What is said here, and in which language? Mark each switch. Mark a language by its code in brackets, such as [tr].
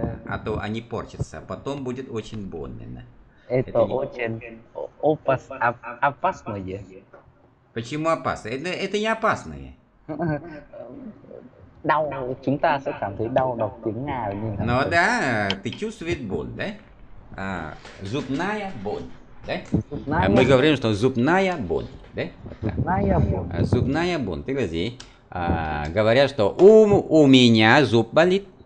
[ru] А то они портятся, потом будет очень больно. Это очень опасное. Почему опасное? Это не опасное. [vi] Đau, chúng ta sẽ cảm thấy đau đọc tiếng Nga là như thế Nó đã, [ru] ты чувствует боль, да? Зубная боль, да? Мы говорим, что зубная боль, да? Зубная боль. Зубная боль, ты говори. Говорят, что у меня зуб болит.